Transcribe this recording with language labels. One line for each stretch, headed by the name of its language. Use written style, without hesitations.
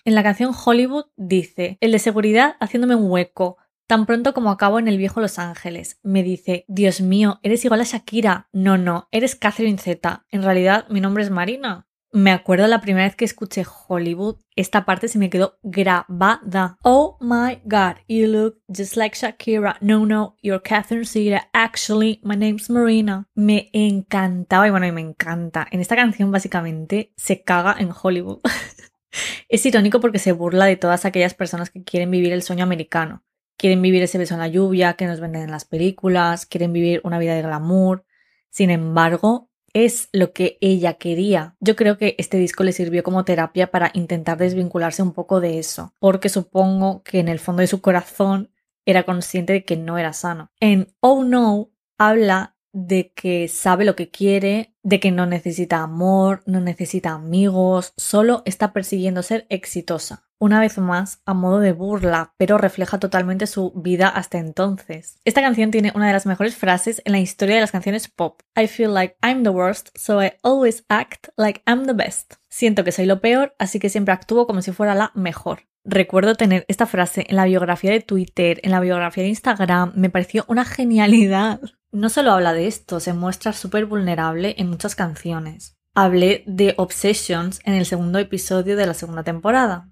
Spanish: En la canción Hollywood dice: el de seguridad haciéndome un hueco, tan pronto como acabo en el viejo Los Ángeles. Me dice: Dios mío, eres igual a Shakira. No, no, eres Catherine Zeta. En realidad, mi nombre es Marina. Me acuerdo la primera vez que escuché Hollywood, esta parte se me quedó grabada.
English: Oh my god, you look just like Shakira. No, no, you're Catherine Zeta. Actually, my name's Marina.
Spanish: Me encantaba, y bueno, y me encanta. En esta canción, básicamente, se caga en Hollywood. Es irónico porque se burla de todas aquellas personas que quieren vivir el sueño americano. Quieren vivir ese beso en la lluvia que nos venden en las películas. Quieren vivir una vida de glamour. Sin embargo, es lo que ella quería. Yo creo que este disco le sirvió como terapia para intentar desvincularse un poco de eso, porque supongo que en el fondo de su corazón era consciente de que no era sano. En Oh No habla de que sabe lo que quiere, de que no necesita amor, no necesita amigos, solo está persiguiendo ser exitosa. Una vez más, a modo de burla, pero refleja totalmente su vida hasta entonces. Esta canción tiene una de las mejores frases en la historia de las canciones pop.
English: I feel like I'm the worst, so I always act like I'm the best.
Spanish: Siento que soy lo peor, así que siempre actúo como si fuera la mejor. Recuerdo tener esta frase en la biografía de Twitter, en la biografía de Instagram. Me pareció una genialidad. No solo habla de esto, se muestra súper vulnerable en muchas canciones. Hablé de Obsessions en el segundo episodio de la segunda temporada.